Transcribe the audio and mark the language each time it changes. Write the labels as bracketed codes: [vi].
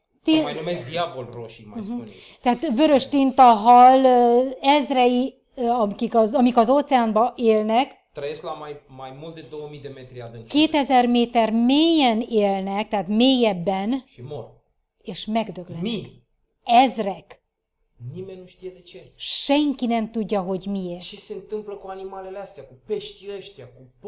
[ro] Sau mai numesc diavol roșii, mai spun eu. [hu] Tehát vörös tintahal, ezrei, amik az óceánban élnek. [ro] Trăiesc la mai mult de 2000 de metri adâncime. [hu] 2000 méter mélyen élnek, tehát mélyebben. [ro] Și mor. [hu] És megdöglenek. Mi. Ezrek. [ro] Nimeni nu știe de ce. [hu] Senki nem tudja, hogy miért. [ro] Ce se întâmplă cu animalele astea, cu peștii ăștia, cu